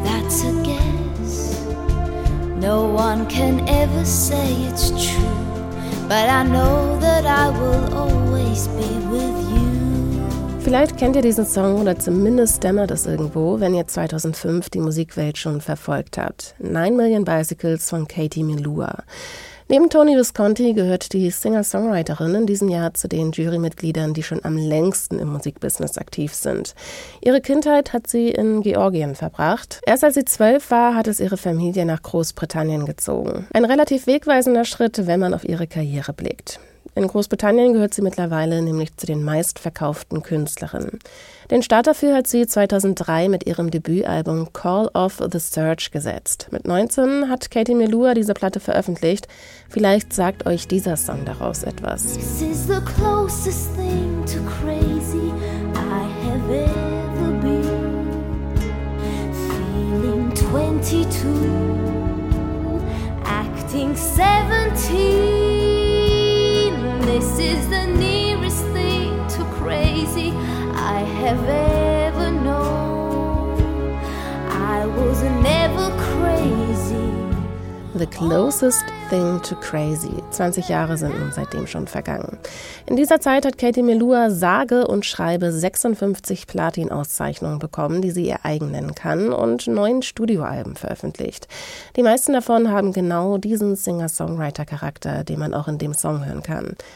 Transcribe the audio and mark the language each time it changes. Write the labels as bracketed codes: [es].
[en] It's a guess. No one can ever say it's true, but I know that I will always be with you. [de] Vielleicht kennt ihr diesen Song oder zumindest dämmert es irgendwo, wenn ihr 2005 die Musikwelt schon verfolgt habt. 9 Million Bicycles von Katie Melua. Neben Tony Visconti gehört die Singer-Songwriterin in diesem Jahr zu den Jurymitgliedern, die schon am längsten im Musikbusiness aktiv sind. Ihre Kindheit hat sie in Georgien verbracht. Erst als sie 12 war, hat es ihre Familie nach Großbritannien gezogen. Ein relativ wegweisender Schritt, wenn man auf ihre Karriere blickt. In Großbritannien gehört sie mittlerweile nämlich zu den meistverkauften Künstlerinnen. Den Start dafür hat sie 2003 mit ihrem Debütalbum Call of the Search gesetzt. Mit 19 hat Katie Melua diese Platte veröffentlicht. Vielleicht sagt euch dieser Song daraus etwas. [en] This is the closest thing to crazy I have ever been. Feeling 22, acting 17. This is the nearest thing to crazy I have ever known. I was never crazy. The closest thing to crazy. [de] 20 Jahre sind nun seitdem schon vergangen. In dieser Zeit hat Katie Melua sage und schreibe 56 Platin-Auszeichnungen bekommen, die sie ihr eigen nennen kann, und 9 Studioalben veröffentlicht. Die meisten davon haben genau diesen Singer-Songwriter-Charakter, den man auch in dem Song hören kann.